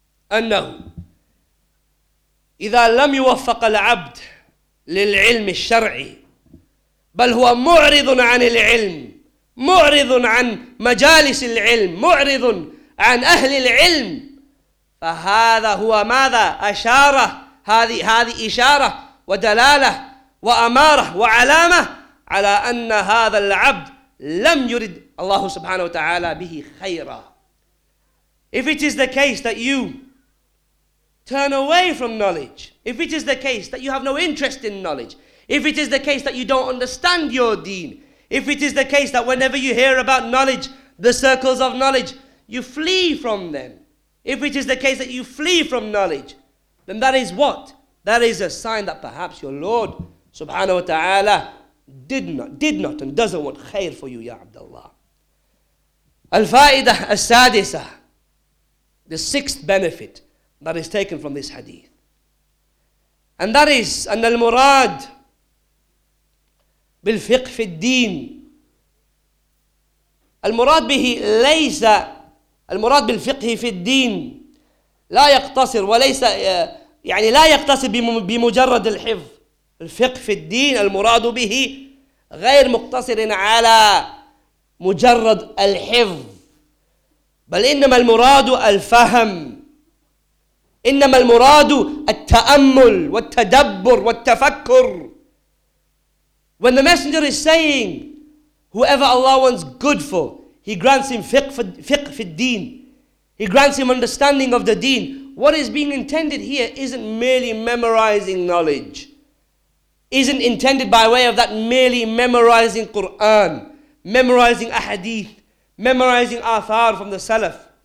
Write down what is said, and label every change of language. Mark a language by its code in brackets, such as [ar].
[ar] أنه إذا لم يوفق العبد للعلم الشرعي بل هو معرض عن العلم، معرض عن مجالس العلم، معرض عن أهل العلم، فهذا هو ماذا؟ أشارة، هذه إشارة ودلالة وأمارة وعلامة على أن هذا العبد لم يرد الله سبحانه وتعالى به خيرا. [en] If it is the case that you turn away from knowledge, if it is the case that you have no interest in knowledge, if it is the case that you don't understand your deen, if it is the case that whenever you hear about knowledge, the circles of knowledge, you flee from them, if it is the case that you flee from knowledge, then that is what? That is a sign that perhaps your Lord subhanahu wa ta'ala did not and doesn't want khair for you, ya Abdullah. Al-fa'idah al-sadisah, the sixth benefit that is taken from this hadith. And that is, [ar] أن المراد بالفقه في الدين المراد به ليس المراد بالفقه في الدين لا يقتصر وليس يعني لا يقتصر بمجرد الحفظ. الفقه في الدين المراد به غير مقتصر على مجرد الحفظ، بل إنما المراد الفهم، إنما المراد التأمل والتدبر والتفكر. [en] When the messenger is saying, whoever Allah wants good for, he grants him fiqh fi al-deen, he grants him understanding of the deen, what is being intended here isn't merely memorizing knowledge, isn't intended by way of that merely memorizing Quran, memorizing ahadith, memorizing athar from the salaf.